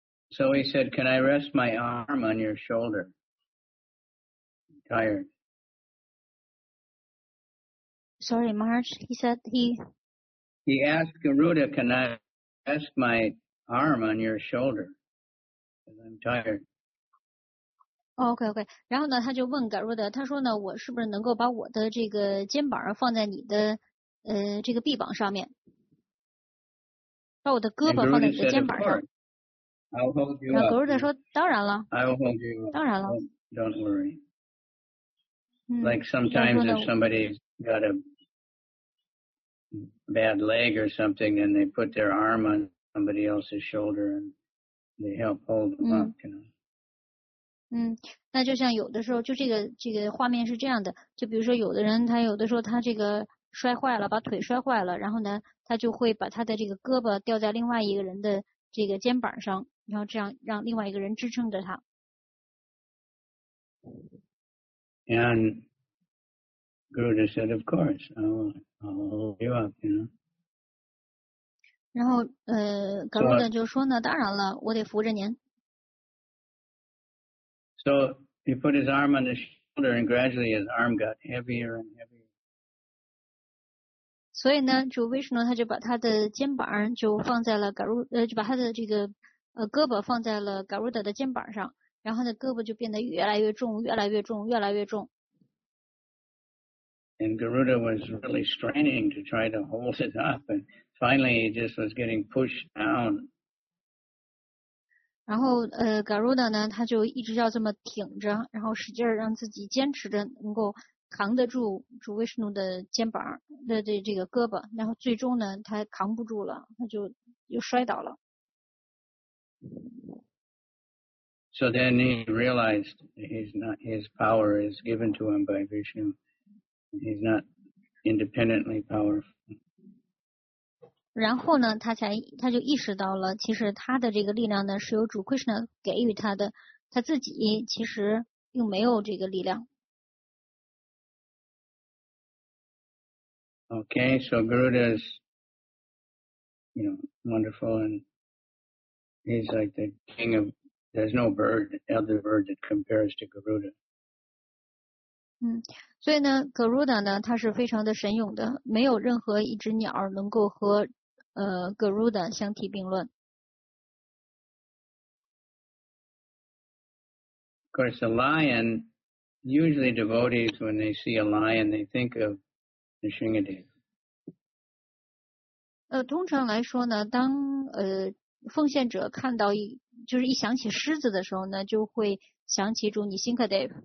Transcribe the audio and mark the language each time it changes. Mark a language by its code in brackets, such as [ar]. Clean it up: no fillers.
[en] So he said, "Can I rest my arm on your shoulder? I'm tired." Sorry, Maharaj. He said he asked Garuda, "Can I rest my arm on your shoulder, because I'm tired." Okay, okay. [zh] 然后呢，他就问 Garuda， 他说呢，我是不是能够把我的这个肩膀放在你的这个臂膀上面，把我的胳膊放在你的肩膀上？ [en] I'll hold you up. [zh] 那 Garuda 说，当然了。 [en] I'll hold you up. [zh] 当然了。 [en] Don't worry. Like sometimes if somebody's got a bad leg or something, and they put their arm on. Somebody else's shoulder, and they help hold them up, you know. [zh] 那就像有的时候，就这个画面是这样的。就比如说，有的人他有的时候他这个摔坏了，把腿摔坏了，然后呢，他就会把他的这个胳膊吊在另外一个人的这个肩膀上，然后这样让另外一个人支撑着他。 [en] And Guru just said, "Of course, I'll give up." You know. [zh] 然后，格鲁的就说呢，当然了，我得扶着您。 [en] So he put his arm on his shoulder, and gradually his arm got heavier and heavier. [zh] 所以呢，主为什么他就把他的肩膀就放在了格鲁，就把他的这个胳膊放在了格鲁的肩膀上。然后呢，胳膊就变得越来越重，越来越重，越来越重。 [en] And Garuda was really straining to try to hold it up, and finally he just was getting pushed down. [zh] 然后Garuda 呢，他就一直要这么挺着，然后使劲让自己坚持着，能够扛得住主维什努的肩膀的这个胳膊。然后最终呢，他扛不住了，他就又摔倒了。 [en] So then he realized his power is given to him by Vishnu. He's not independently powerful. [zh] 然后呢，他就意识到了，其实他的这个力量呢是由主 Krishna 给予他的，他自己其实又没有这个力量。 [en] Okay, so Garuda is, you know, wonderful, and he's like the king of. There's no bird, other bird that compares to Garuda. [zh] 所以呢 ，Garuda 呢，它是非常的神勇的，没有任何一只鸟能够和Garuda 相提并论。 [en] Of course, a lion. Usually, devotees when they see a lion, they think of the Shringadev. [zh] 通常来说呢，当奉献者看到一就是一想起狮子的时候呢，就会想起主尼辛克德。